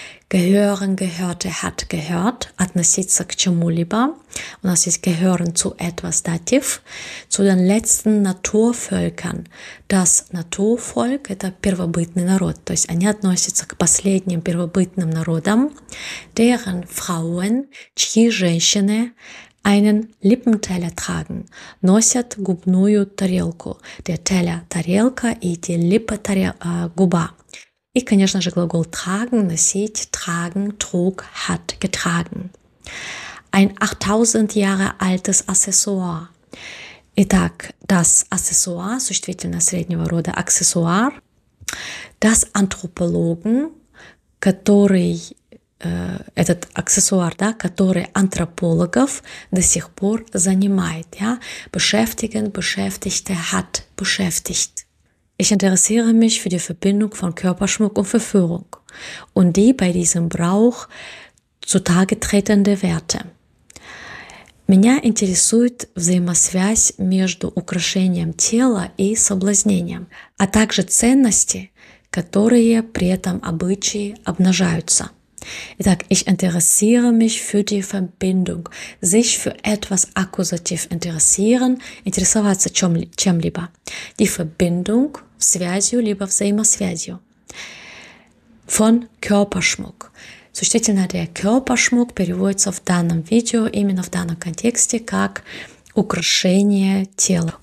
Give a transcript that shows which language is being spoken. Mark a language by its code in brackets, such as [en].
[de] Gehören, gehörte, hat, gehört, [ru] относиться к чему-либо. У нас есть [de] gehören zu etwas, dativ. Zu den letzten Naturvölkern. Das Naturvolk [ru] – это первобытный народ. То есть они относятся к последним первобытным народам, [de] deren Frauen, [ru] чьи женщины, [de] einen Lippenteller tragen, [ru] носят губную тарелку. Der Teller – тарелка, и die Lippe – губа. И, конечно же, глагол tragen – носить, [de] tragen, trug, hat, getragen. Ein 8000 Jahre altes Accessoire. [ru] Итак, das Accessoire, существительное среднего рода Accessoire, [de] das Anthropologen, [ru] который этот аксессуар, да, который антропологов до сих пор занимает. [de] Ja? Beschäftigen, beschäftigte, hat, beschäftigt. Ich interessiere mich für die Verbindung von Körperschmuck und Verführung und die bei diesem Brauch zutage tretende Werte. [ru] Меня интересует взаимосвязь между украшением тела и соблазнением, а также ценности, которые при этом обычаи обнажаются. Итак, [de] ich interessiere mich für die Verbindung. Sich für etwas akkusativ interessieren, [ru] интересоваться чем-либо. Die Verbindung, связью, либо взаимосвязью. [de] Von Körperschmuck. [ru] Существительное der Körperschmuck переводится в данном видео, именно в данном контексте, как украшение тела.